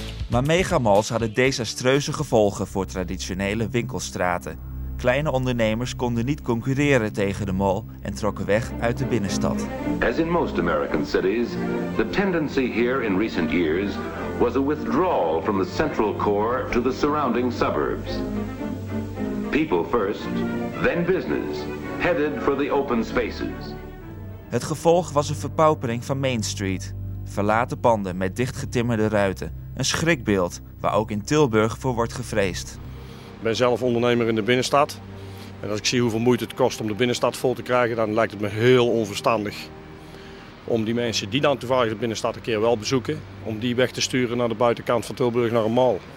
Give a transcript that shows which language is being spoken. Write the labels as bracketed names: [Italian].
[Dutch] Maar megamalls hadden desastreuze gevolgen voor traditionele winkelstraten. Kleine ondernemers konden niet concurreren tegen de mall en trokken weg uit de binnenstad. [English] As in most American cities, the tendency here in recent years was a withdrawal from the central core to the surrounding suburbs. People first, then business, headed for the open spaces. [Dutch] Het gevolg was een verpaupering van Main Street. Verlaten panden met dichtgetimmerde ruiten. Een schrikbeeld waar ook in Tilburg voor wordt gevreesd. Ik ben zelf ondernemer in de binnenstad. En als ik zie hoeveel moeite het kost om de binnenstad vol te krijgen, dan lijkt het me heel onverstandig om die mensen die dan toevallig de binnenstad een keer wel bezoeken, om die weg te sturen naar de buitenkant van Tilburg, naar een mall.